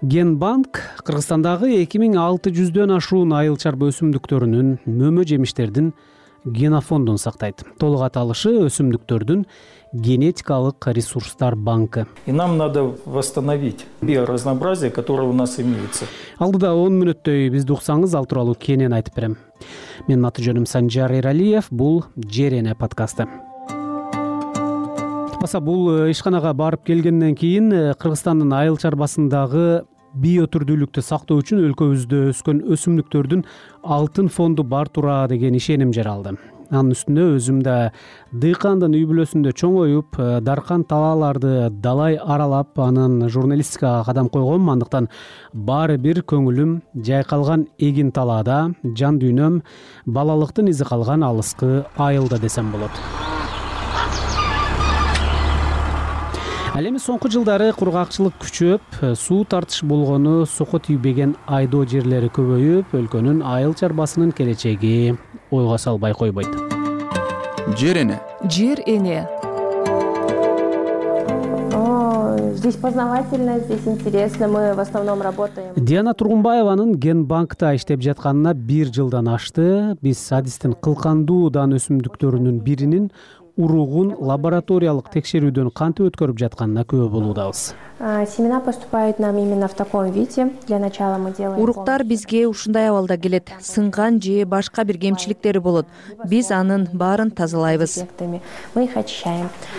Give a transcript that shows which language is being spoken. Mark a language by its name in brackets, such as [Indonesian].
[Kyrgyz] Генбанк Кыргызстандагы 2600 ашуун айыл чарба өсүмдүктөрүнүн мөмө жемиштердин генофондун сактайт. Толук аталышы өсүмдүктөрдүн генетикалык ресурстар банкы. [Russian] И нам надо восстановить биоразнообразие, которое у нас имеется. [Kyrgyz] Алдыда 10 мүнөттөй бизди уксаңыз, ал тууралуу кенен айтып берем. Менин аты жөнүм Санжар Эралиев, бул Жерене подкасты. Баса бул ишканага барып келгенден кийин Кыргызстандын айыл чарбасындагы биотүрдүүлүктү сактоо үчүн өлкөбүздө өскөн өсүмдүктөрдүн алтын фонду бар туура деген ишеним жаралды. Анын үстүнө өзүм да дыйкандын үй бүлөсүндө чоңоюп, даркан талааларды далай аралап, анын журналистикага кадам койгом, андыктан баары бир көңүлүм жайкалган эгин талаада, жан дүйнөм балалыктын изи калган алыскы айылда десем болот. Ал эми соңку жылдары кургакчылык күчөп, суу тартыш болгону суку тийбеген айдоо жерлери көбөйүп, өлкөнүн айыл чарбасынын келечеги ойго салбай койбойт. Жер эне. Жер эне. [Russian] Здесь познавательно, здесь интересно. Мы в основном работаем. [Kyrgyz] Диана Тургунбаеванын Генбанкта иштеп жатканына 1 жылдан ашты. Биз садистин кылкандуу дан өсүмдүктөрүнүн биринин уругун лабораториялык текшерүүдөн кантип өткөрүп жатканына күбө болуудабыз. [Russian] Семена поступают нам именно в таком виде. Для начала мы делаем. [Kyrgyz] Уруктар бизге ушундай абалда келет. Сынган же башка бир кемчиликтери болот. Биз анын баарын тазалайбыз. [Russian] Мы их очищаем.